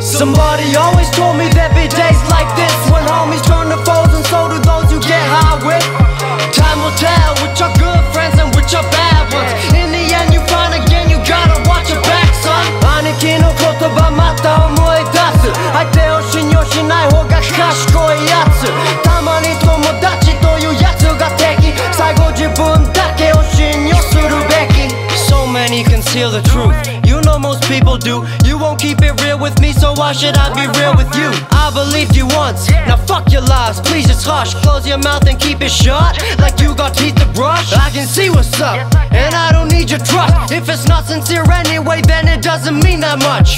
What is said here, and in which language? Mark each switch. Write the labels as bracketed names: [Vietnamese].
[English] Somebody always told me there'd be days like this, when homies turn to foes and so do those you get high with. Time will tell which are good friends and which are bad ones. In the end you find again you gotta watch your back, son. [Japanese] 兄貴の言葉また思い出す。相手を信用しない方が賢いやつ。たまに友達というやつが敵。最後自分だけを信用するべき。 [English] So many conceal the truth, you know most people do. You won't keep it real with me, so why should I be real with you? I believed you once, now fuck your lies. Please just hush, close your mouth and keep it shut, like you got teeth to brush. I can see what's up, and I don't need your trust. If it's not sincere anyway, then it doesn't mean that much.